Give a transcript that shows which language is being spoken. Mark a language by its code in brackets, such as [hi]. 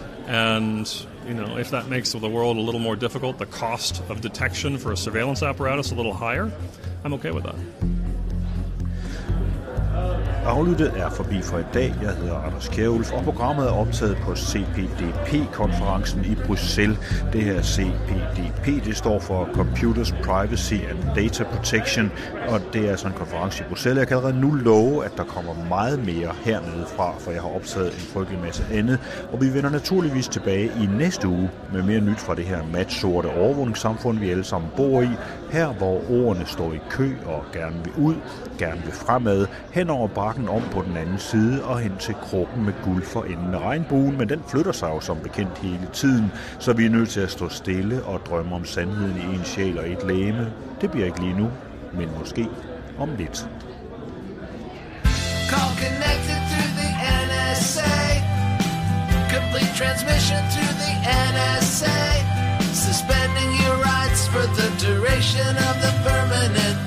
[en] And, if that makes the world a little more difficult, the cost of detection for a surveillance apparatus a little higher, I'm okay with that. [da] Aflyttet er forbi for i dag. Jeg hedder Anders Kjærulf, og programmet er optaget på CPDP-konferencen i Bruxelles. Det her CPDP, det står for Computers Privacy and Data Protection, og det er altså en konference i Bruxelles. Jeg kan allerede nu love, at der kommer meget mere hernede fra, for jeg har optaget en frygtelig masse andet, og vi vender naturligvis tilbage i næste uge med mere nyt fra det her matsorte overvågningssamfund, vi alle sammen bor i. Her, hvor ordene står i kø og gerne vil ud, gerne vil fremad, hen over bakken om på den anden side og hen til krukken med guld for enden af regnbuen, men den flytter sig jo som bekendt hele tiden, så vi er nødt til at stå stille og drømme om sandheden i en sjæl og et legeme. Det bliver ikke lige nu, men måske om lidt. [en] Call connected to the NSA. Complete transmission to the NSA. Suspending your rights for the duration of the permanent